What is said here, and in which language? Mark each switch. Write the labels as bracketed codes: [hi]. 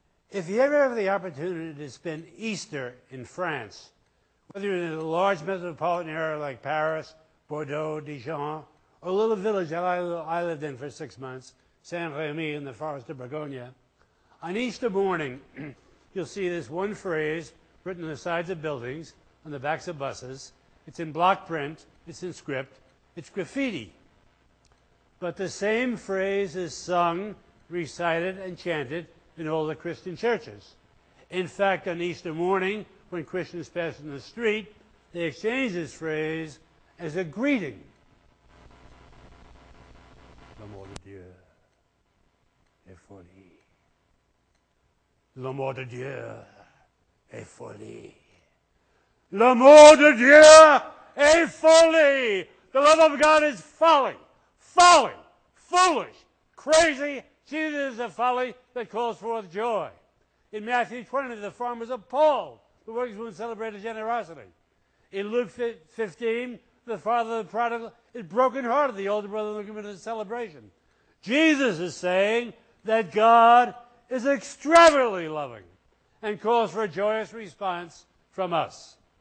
[en] If you ever have the opportunity to spend Easter in France, whether you're in a large metropolitan area like Paris, Bordeaux, Dijon, or a little village that I lived in for 6 months, Saint-Rémy in the forest of Bourgogne, on Easter morning, you'll see this one phrase written on the sides of buildings, on the backs of buses. It's in block print. It's in script. It's graffiti. But the same phrase is sung, recited, and chanted in all the Christian churches. In fact, on Easter morning, when Christians pass in the street, they exchange this phrase as a greeting. [fr] L'amour de Dieu est folie. L'amour de Dieu est folie. L'amour de Dieu est folie. [en] The love of God is folly. Folly. Foolish. Crazy. Jesus is a folly that calls forth joy. In Matthew 20, the farmer's appalled. The workers won't celebrate his generosity. In Luke 15, the father of the prodigal is brokenhearted. The older brother looking for the celebration. Jesus is saying that God is extravagantly loving and calls for a joyous response from us.